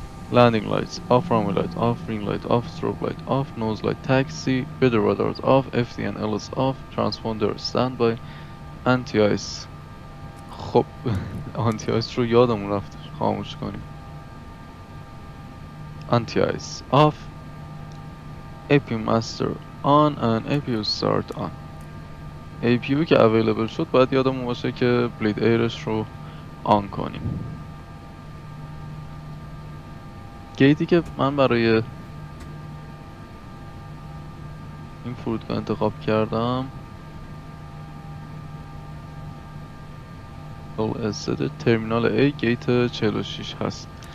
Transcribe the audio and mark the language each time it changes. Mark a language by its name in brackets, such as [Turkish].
[English] Landing lights off. Runway light off. Ring light off. Strobe light off. Nose light taxi. Weather radar off. FDN LS off. Transponder standby. Anti-ice. [Persian] خب anti-ice رو یادمون رفت، خاموش کنیم. [English] Anti-ice off. APU master on and APU start on. [Persian] APU که available شد باید یادمون باشه که bleed airش رو on کنیم. گیتی که من برای این فرودگاه انتخاب کردم LSD ترمینال A گیت 46 هست.